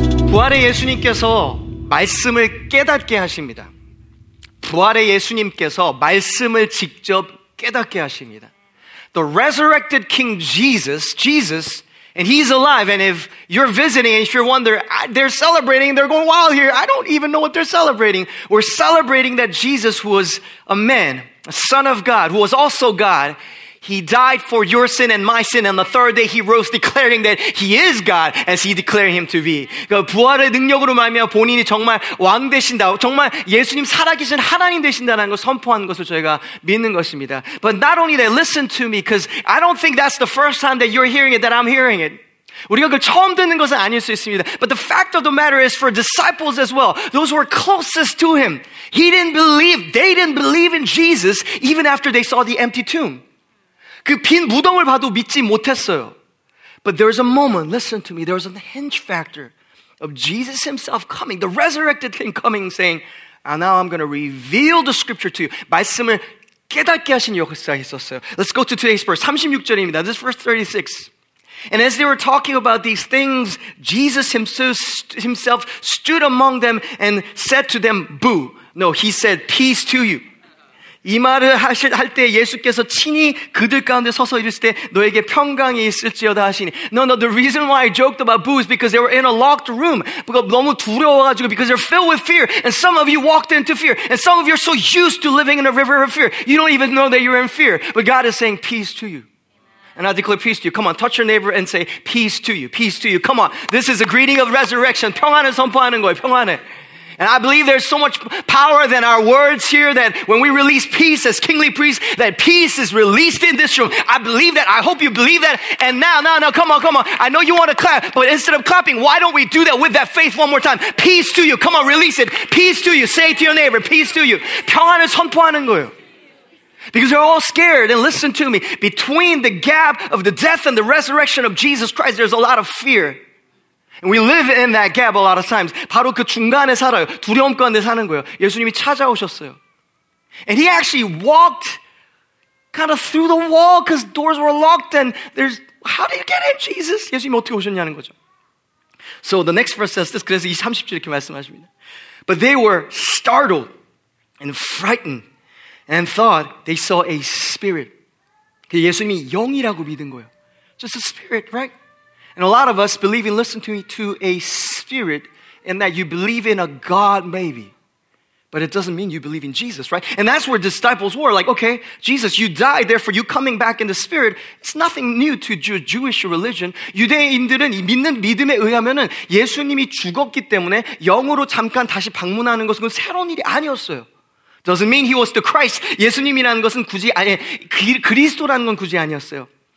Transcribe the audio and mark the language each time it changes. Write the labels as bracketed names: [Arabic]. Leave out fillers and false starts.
[Korean] 부활의 예수님께서 말씀을 깨닫게 하십니다. 부활의 예수님께서 말씀을 직접 깨닫게 하십니다. [English] The resurrected King Jesus, and he's alive. And if you're visiting and if you're wondering, they're celebrating, they're going wild here. I don't even know what they're celebrating. We're celebrating that Jesus was a man, a son of God, who was also God. He died for your sin and my sin, and the third day he rose, declaring that he is God, as he declared him to be. [Korean] 그 부활의 능력으로 말미암아 본인이 정말 왕 되신다, 정말 예수님 살아계신 하나님 되신다라는 걸 선포한 것을 저희가 믿는 것입니다. [English] But not only that, listen to me, because I don't think that's the first time that you're hearing it, that I'm hearing it. [Korean] 우리가 그 처음 듣는 것은 아닐 수 있습니다. [English] But the fact of the matter is for disciples as well, those who are closest to him, they didn't believe in Jesus even after they saw the empty tomb. [Korean] 그 빈 무덤을 봐도 믿지 못했어요. [English] But there was a moment, listen to me, there was a hinge factor of Jesus himself coming, the resurrected thing coming, saying, and now I'm going to reveal the scripture to you. [Korean] 말씀을 깨닫게 하신 역사가 있었어요. [English] Let's go to today's verse, [Korean] 36절입니다. [English] This is verse 36. And as they were talking about these things, Jesus himself stood among them and said to them, boo. No, he said, peace to you. [Korean] 이 말을 할 때 예수께서 친히 그들 가운데 서서 이르시되 너에게 평강이 있을지어다 하시니 [English] No, the reason why I joked about boo is because they were in a locked room. [Korean] 너무 두려워가지고 [English] because they're filled with fear. And some of you walked into fear. And some of you are so used to living in a river of fear. You don't even know that you're in fear. But God is saying peace to you. And I declare peace to you. Come on, touch your neighbor and say peace to you. Peace to you. Come on, this is a greeting of resurrection. [Korean] 평안을 선포하는 거예요. 평안을. [English] And I believe there's so much power than our words here that when we release peace as kingly priests, that peace is released in this room. I believe that. I hope you believe that. And now, come on. I know you want to clap, but instead of clapping, why don't we do that with that faith one more time? Peace to you. Come on, release it. Peace to you. Say it to your neighbor. Peace to you. [Korean] 평안을 선포하는 거예요. [English] Because they're all scared. And listen to me. Between the gap of the death and the resurrection of Jesus Christ, there's a lot of fear. And we live in that gap a lot of times. [Korean] 바로 그 중간에 살아요. 두려움 가운데 사는 거예요. 예수님이 찾아오셨어요. [English] And he actually walked kind of through the wall because doors were locked and there's, how do you get in, Jesus? [Korean] 예수님이 어떻게 오셨냐는 거죠. [English] So the next verse says this. [Korean] 그래서 이 30절 이렇게 말씀하십니다. [English] But they were startled and frightened and thought they saw a spirit. [Korean] 예수님이 영이라고 믿은 거예요. [English] Just a spirit, right? And a lot of us believe in, listen to me, to a spirit, and that you believe in a God, maybe. But it doesn't mean you believe in Jesus, right? And that's where disciples were, like, okay, Jesus, you died, therefore you coming back in the spirit. It's nothing new to Jewish religion. [Korean] 유대인들은 믿는 믿음에 의하면은 예수님이 죽었기 때문에 영으로 잠깐 다시 방문하는 것은 새로운 일이 아니었어요. [English] Doesn't mean he was the Christ. [Korean] 예수님이라는 것은 굳이, 아니, 그리스도라는 건 굳이 아니었어요.